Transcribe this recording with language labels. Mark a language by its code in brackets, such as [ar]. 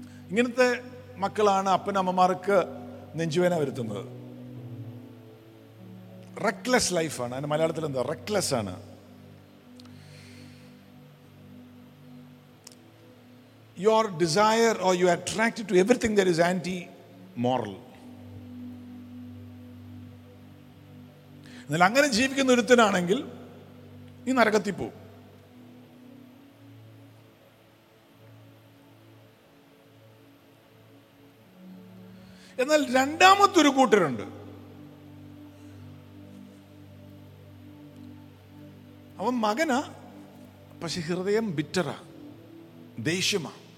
[ml] ഇങ്ങനത്തെ മക്കളാണ് അപ്പനമ്മമാർക്ക് നെഞ്ചുവേന വരുത്തുന്നത്. റെക്ലെസ് ലൈഫാണ് അതിന് മലയാളത്തിൽ, എന്താ റെക്ലെസ് ആണ്. [en] Your desire or you are attracted to everything that is anti-moral. [ml] നിങ്ങൾ അങ്ങനെ ജീവിക്കുന്ന ഒരുത്തനാണെങ്കിൽ നീ നരകത്തിൽ പോകും. എന്നാൽ രണ്ടാമത്തെ ഒരു കൂട്ടരുണ്ട്, അവൻ മകനാ, പക്ഷെ ഹൃദയം ബിറ്ററാ, ദേഷ്യമാ.